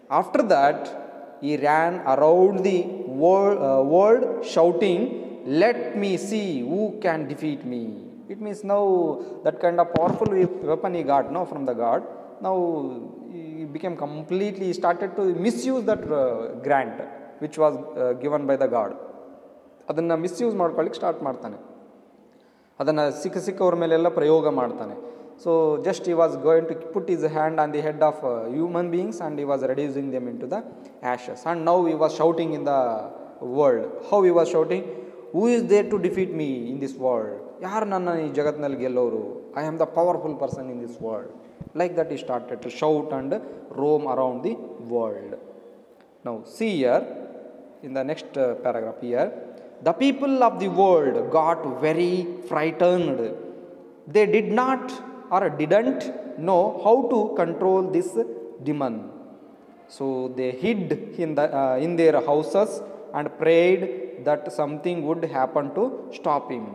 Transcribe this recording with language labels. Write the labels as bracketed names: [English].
[English] After that, he ran around the world shouting, let me see who can defeat me. It means now that kind of powerful weapon he got, no, from the god. Now he became completely, he started to misuse that grant which was given by the god. [Kannada] ಅದನ್ನು misuse ಮಾಡ್ಕೊಳ್ಳಿಕ್ಕೆ start ಮಾಡ್ತಾನೆ, ಅದನ್ನು ಸಿಕ್ಕ ಸಿಕ್ಕವ್ರ ಮೇಲೆಲ್ಲ ಪ್ರಯೋಗ ಮಾಡ್ತಾನೆ. [English] So just he was going to put his hand on the head of human beings and he was reducing them in to the ashes. And now he was shouting in the world. How he was shouting? Who is there to defeat me in this world? [Kannada] ಯಾರು ನನ್ನ ಈ ಜಗತ್ತಿನಲ್ಲಿ ಗೆಲ್ಲೋರು? [English] I am the powerful person in this world. Like that he started to shout and roam around the world. Now see here in the next paragraph here the people of the world got very frightened. They did not or didn't know how to control this demon, so they hid in their houses and prayed that something would happen to stop him.